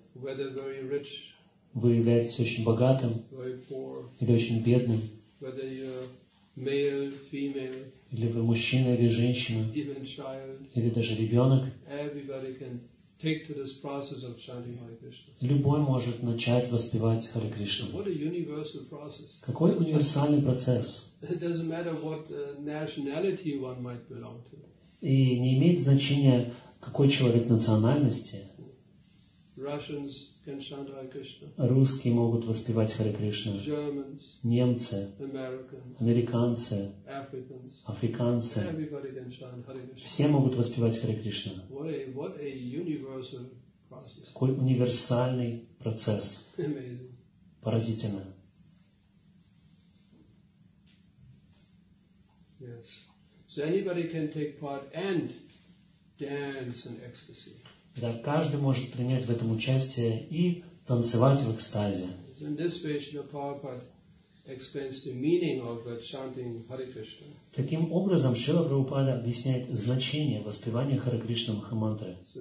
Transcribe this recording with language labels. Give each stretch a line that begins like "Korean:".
English: Whether very rich,
Russian: вы являетесь очень богатым,
English: very poor,
Russian: или очень бедным,
English: whether you're male, female,
Russian: или вы мужчина или женщина,
English: even child,
Russian: или даже ребенок,
English: everybody can take to this process of chanting Hare Krishna.
Russian: Любой может начать воспевать Харе Кришну.
English: What a universal process.
Russian: Какой универсальный процесс.
English: It doesn't matter what nationality one might belong to.
Russian: И не имеет значения, какой человек национальности.
English: Russians can chant Hare Krishna.
Russian: Русские могут воспевать Харе Кришна.
English: Germans,
Russian: немцы,
English: Americans,
Russian: американцы,
English: Africans,
Russian: африканцы.
English: Everybody can chant Hare Krishna.
Russian: Все могут воспевать Харе Кришна.
English: What a universal process.
Russian: Какой универсальный процесс.
English: Amazing.
Russian: Поразительно.
English: Yes. So anybody can take part and dance in ecstasy.
Russian: Да, каждый может принять в этом участие и танцевать в экстазе. Таким образом, Шрила Прабхупада объясняет значение воспевания Харе Кришна Махамантры.